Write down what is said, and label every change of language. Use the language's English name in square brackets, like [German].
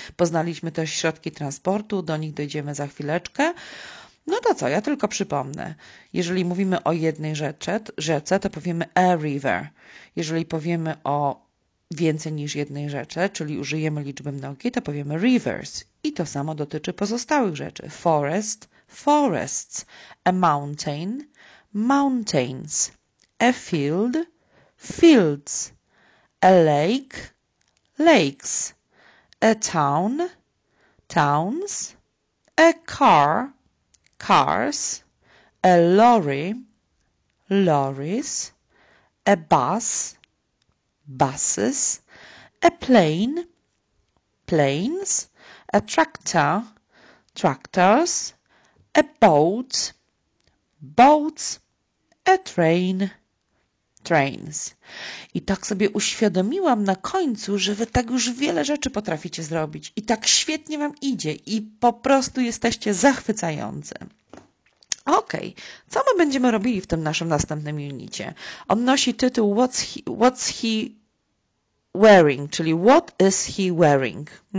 [Polish] Poznaliśmy też środki transportu, do nich dojdziemy za chwileczkę. No to co, ja tylko przypomnę. Jeżeli mówimy o jednej rzece, to powiemy a river. Jeżeli powiemy o więcej niż jednej rzece, czyli użyjemy liczby mnogiej, to powiemy rivers. I to samo dotyczy pozostałych rzeczy. [English] Forest, forests, a mountain, mountains, a field, fields, a lake, lakes, a town, towns, a car, cars, a lorry, lorries, a bus, buses, a plane, planes, a tractor, tractors, a boat, boats, a train, trains. [Polish] I tak sobie uświadomiłam na końcu, że Wy tak już wiele rzeczy potraficie zrobić. I tak świetnie Wam idzie i po prostu jesteście zachwycający. Okej, co my będziemy robili w tym naszym następnym unicie? On nosi tytuł [English] What's he wearing, [Polish] czyli [English] What is he wearing?